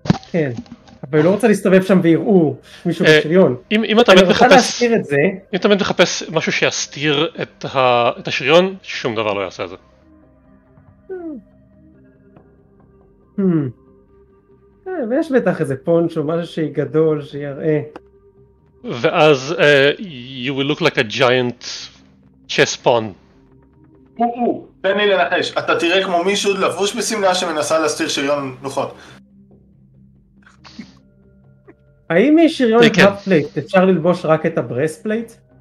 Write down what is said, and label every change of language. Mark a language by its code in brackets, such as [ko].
[he] כן, אבל אני לא רוצה להסתובב שם ויראו מישהו בשריון. אם אתה מחפש... אני רוצה להסתיר את זה. אם אתה מחפש משהו שיסתיר את השריון, שום דבר לא יעשה את זה. ויש בטח איזה פונש או משהו שהיא גדול שיראה. ואז [en] you will look like a giant chess pawn. [he] תן לי לנחש, אתה תראה כמו מישהו לבוש בשמלה שמנסה להסתיר שריון נוחות. האם יש שריון קאפלייט אפשר ללבוש רק את הברסטפלייט?